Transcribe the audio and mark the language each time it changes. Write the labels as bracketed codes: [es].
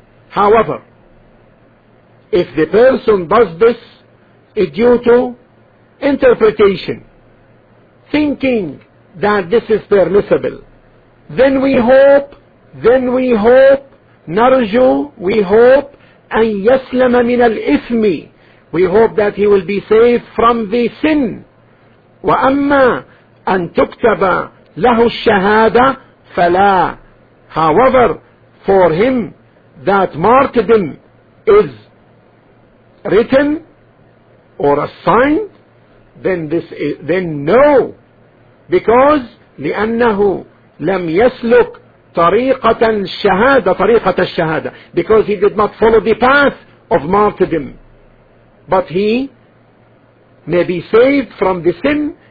[en] However, if the person does this due to interpretation, thinking that this is permissible, then we hope, نرجو, we hope, [ar] أن يسلم من الإثم, [en] we hope that he will be saved from the sin. [ar] وأما أن تكتب له الشهادة فلا. [en] However, for him that martyrdom is written or assigned, then no, because [ar] لأنه لم يسلك طريقة الشهادة, [en] طريقة الشهادة, because he did not follow the path of martyrdom, but he may be saved from the sin